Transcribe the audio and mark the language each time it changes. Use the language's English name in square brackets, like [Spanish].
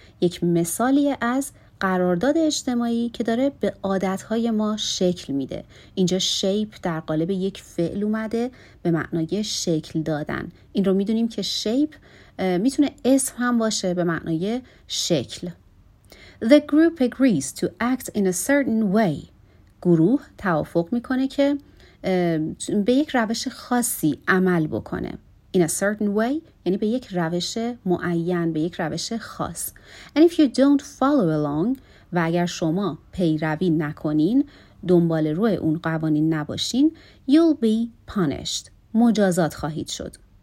[Persian] یک مثالی از قرارداد اجتماعی که داره به عادت‌های ما شکل میده. اینجا shape در قالب یک فعل اومده به معنای شکل دادن. این رو میدونیم که shape میتونه اسم هم باشه به معنای شکل. [English] The group agrees to act in a certain way. [Persian] گروه توافق میکنه که به یک روش خاصی عمل بکنه. [English] In a certain way [Persian] یعنی به یک روش معین، به یک روش خاص. [English] And if you don't follow along [Persian] و اگر شما پیروی نکنین، دنبال روی اون قوانین نباشین، [English] you'll be punished، [Persian] مجازات خواهید شد.